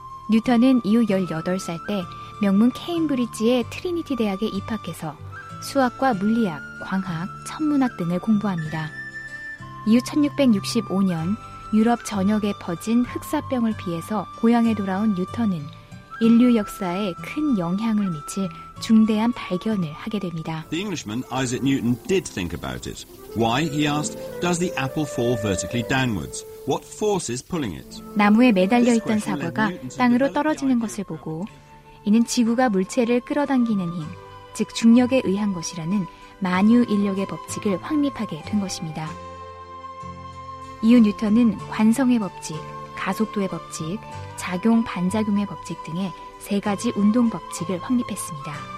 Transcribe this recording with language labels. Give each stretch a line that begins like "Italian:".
Korean: 뉴턴은 이후 18살 때 명문 케임브리지의 트리니티 대학에 입학해서 수학과 물리학, 광학, 천문학 등을 공부합니다. 이후 1665년 유럽 전역에 퍼진 흑사병을 피해서 고향에 돌아온 뉴턴은 인류 역사에 큰 영향을 미칠 중대한 발견을 하게 됩니다.
English: The Englishman Isaac Newton did think about it. Why, he asked, does the apple fall vertically downwards? What force is pulling it?
Korean: 나무에 매달려 있던 사과가 땅으로 떨어지는 것을 보고, 이는 지구가 물체를 끌어당기는 힘, 즉 중력에 의한 것이라는 만유인력의 법칙을 확립하게 된 것입니다. 이후 뉴턴은 관성의 법칙, 가속도의 법칙, 작용 반작용의 법칙 등의 세 가지 운동 법칙을 확립했습니다.